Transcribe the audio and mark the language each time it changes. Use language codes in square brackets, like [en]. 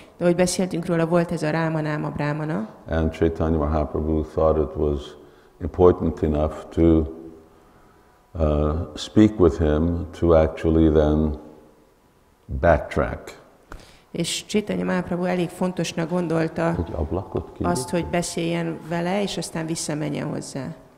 [hu] De ahogy beszéltünk róla, volt ez a Rámanám a Brahmana. [en] And Chaitanya Mahaprabhu thought it was important enough to speak with him to actually then backtrack. [hu] És Chaitanya Mahaprabhu elég fontosnak gondolta azt, hogy beszéljen vele, és aztán visszamenjen hozzá.